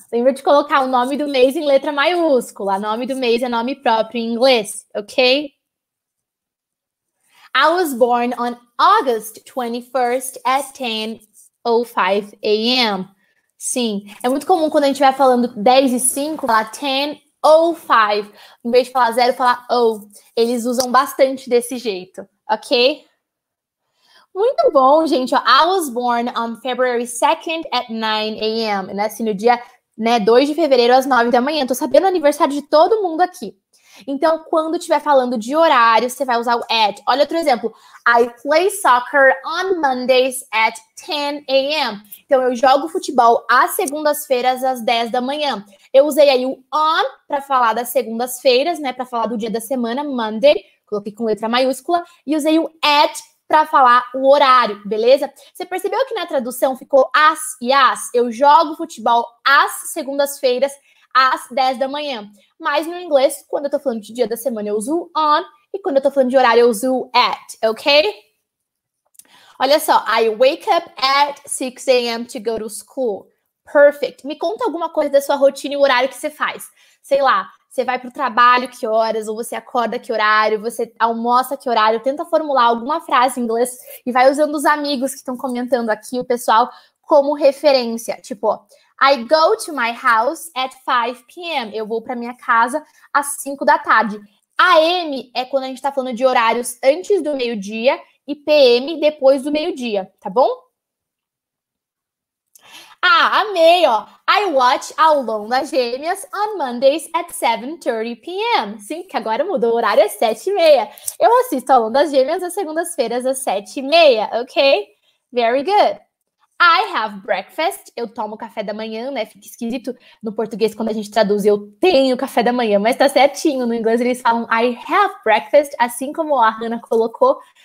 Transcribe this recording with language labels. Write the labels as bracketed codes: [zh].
[pt] Lembra de colocar o nome do mês em letra maiúscula. O nome do mês é nome próprio em inglês, ok? [en] I was born on August 21st at 10:05 a.m. [pt] Sim, é muito comum quando a gente vai falando 10:05, falar 10:05. Em vez de falar 0, falar oh. Eles usam bastante desse jeito, ok? Muito bom, gente. [en] I was born on February 2nd at 9 a.m. [pt] Nasci no dia, né, 2 de fevereiro às 9 da manhã. Tô sabendo o aniversário de todo mundo aqui. Então, quando estiver falando de horário, você vai usar o at. Olha outro exemplo. [en] I play soccer on Mondays at 10 a.m. [pt] Então, eu jogo futebol às segundas-feiras, às 10 da manhã. Eu usei aí o on para falar das segundas-feiras, né? Para falar do dia da semana, Monday. Coloquei com letra maiúscula. E usei o at para falar o horário, beleza? Você percebeu que na tradução ficou as e as? Eu jogo futebol às segundas-feiras, às 10 da manhã. Mas no inglês, quando eu tô falando de dia da semana, eu uso on. E quando eu tô falando de horário, eu uso at, ok? Olha só. [en] I wake up at 6 a.m. to go to school. Perfect. [pt] Me conta alguma coisa da sua rotina e o horário que você faz. Sei lá, você vai pro trabalho, que horas? Ou você acorda, que horário? Você almoça, que horário? Tenta formular alguma frase em inglês e vai usando os amigos que estão comentando aqui, o pessoal, como referência. Tipo, [en] I go to my house at 5 p.m. [pt] Eu vou para minha casa às 5 da tarde. AM é quando a gente está falando de horários antes do meio-dia e PM depois do meio-dia, tá bom? Ah, amei, ó. [en] I watch Ao Lom das Gêmeas on Mondays at 7:30 p.m. [pt] Sim, que agora mudou o horário, é 7:30. Eu assisto Ao Lom das Gêmeas às segundas-feiras às 7:30, ok? [en] Very good. I have breakfast. [pt] Eu tomo café da manhã, né? Fica esquisito no português quando a gente traduz. Eu tenho café da manhã, mas tá certinho. No inglês eles falam [en] I have breakfast, [pt] assim como a Hannah colocou.